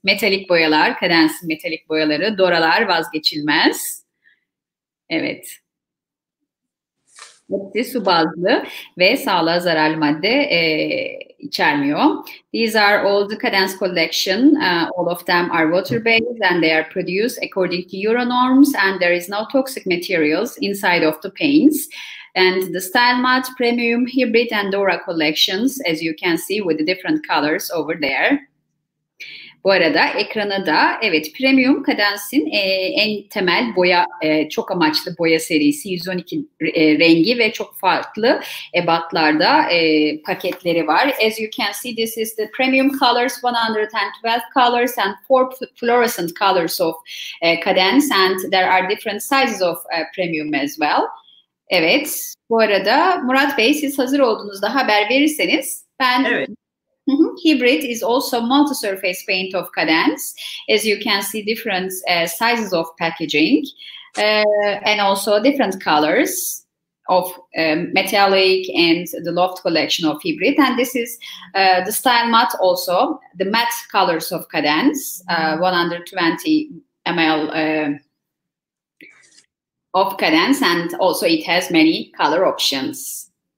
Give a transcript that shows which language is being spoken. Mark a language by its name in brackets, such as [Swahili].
[Turkish] Metalik boyalar, kadensin metalik boyaları, doralar vazgeçilmez. Evet. Hepsi su bazlı ve sağlığa zararlı madde içermiyor. [English] These are all the Cadence collection. All of them are water-based and they are produced according to Euro norms and there is no toxic materials inside of the paints. And the Style Matte, Premium, Hybrid and Dora collections, as you can see with the different colors over there. [Turkish] Bu arada ekrana da, evet, Premium Cadence'in en temel boya, çok amaçlı boya serisi, 112 rengi ve çok farklı ebatlarda paketleri var. [English] As you can see, this is the Premium colors, 112 colors and 4 fluorescent colors of Cadence and there are different sizes of Premium as well. [Turkish] Evet, bu arada Murat Bey, siz hazır olduğunuzda haber verirseniz ben... Evet. [English] Hybrid is also multi-surface paint of Cadence, as you can see different sizes of packaging and also different colors of metallic and the loft collection of Hybrid. And this is the style matte also, the matte colors of Cadence, 120 ml of Cadence, and also it has many color options.